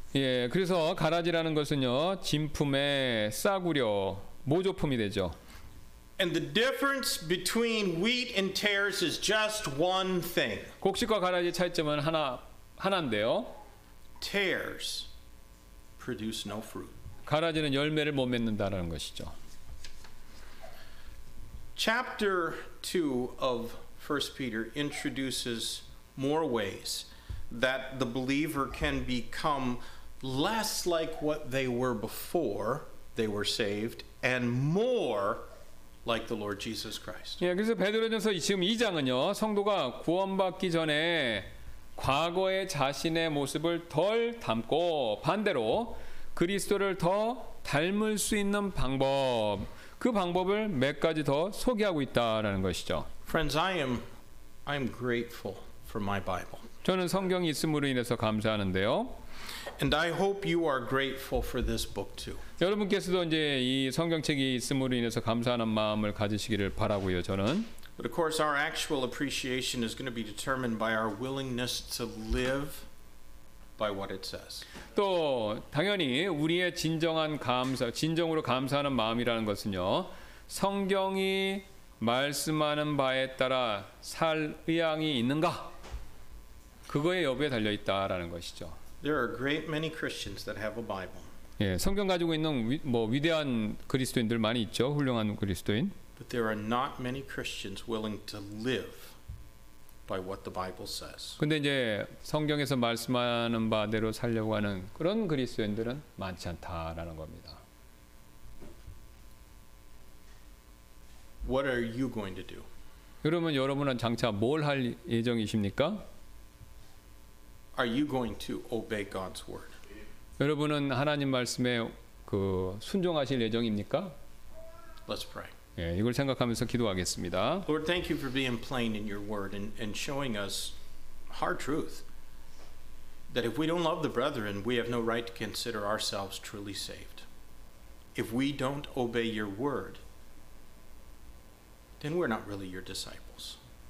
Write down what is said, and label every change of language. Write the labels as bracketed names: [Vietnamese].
[Korean] 예, 그래서 가라지라는 것은요. 진품의 싸구려 모조품이 되죠. [English] And the difference between wheat and tares is just one thing. [Korean] 곡식과 가라지 차이점은 하나인데요. [English] Tares produce no fruit. [Korean] 가라지는 열매를 못 맺는다라는 것이죠. [English] Chapter 2 of 1 Peter introduces more ways that the believer can become less like what they were before they were saved and more like the Lord Jesus Christ. [Korean] 예, 그래서 베드로전서 지금 2장은요. 성도가 구원받기 전에 과거의 자신의 모습을 덜 닮고 반대로 그리스도를 더 닮을 수 있는 방법 그 방법을 몇 가지 더 소개하고 있다라는 것이죠. [English] Friends, I'm grateful for my Bible. [Korean] 저는 성경이 있음으로 인해서 감사하는데요. [English] And I hope you are grateful for this book too. [Korean] 여러분께서도 이제 이 성경책이 있음으로 인해서 감사하는 마음을 가지시기를 바라고요. 저는. [English] But of course, our actual appreciation is going to be determined by our willingness to live by what it says. [Korean] 또 당연히 우리의 진정한 감사, 진정으로 감사하는 마음이라는 것은요, 성경이 말씀하는 바에 따라 살 의향이 있는가 그거의 여부에 달려 있다라는 것이죠. [English] There are a great many Christians that have a Bible. [Korean] 예, 성경 가지고 있는 뭐 위대한 그리스도인들 많이 있죠. 훌륭한 그리스도인. [English] But there are not many Christians willing to live by what the Bible says. [Korean] 근데 이제 성경에서 말씀하는 바대로 살려고 하는 그런 그리스도인들은 많지 않다라는 겁니다. [English] What are you going to do? [Korean] 그러면 여러분은 장차 뭘 할 예정이십니까? [English] Are you going to obey God's word? [Korean] 여러분은 하나님 말씀에 그 순종하실 예정입니까? [English] Let's pray. [Korean] 예, 이걸 생각하면서 기도하겠습니다. [English] Lord, thank you for being plain in your word and showing us hard truth. That if we don't love the brethren, we have no right to consider ourselves truly saved. If we don't obey your word, then we're not really your disciples.